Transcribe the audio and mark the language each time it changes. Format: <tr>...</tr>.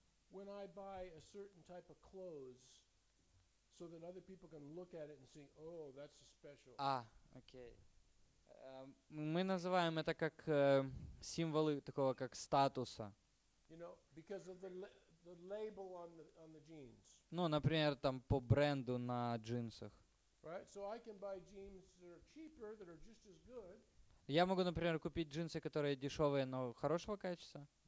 <en>When I buy a certain type of clothes, so that other people can look at it and say, "Oh, that's a special." Okay.</en> <ru>Мы называем это как символы такого как статуса.</ru> <en>You know, because of the label on the jeans.</en> <ru>Ну, например, там по бренду на джинсах.</ru> <en>Right. So I can buy jeans that are cheaper, that are just as good.</en> <ru>Я могу, например, купить джинсы, которые дешевые, но хорошего качества.</ru>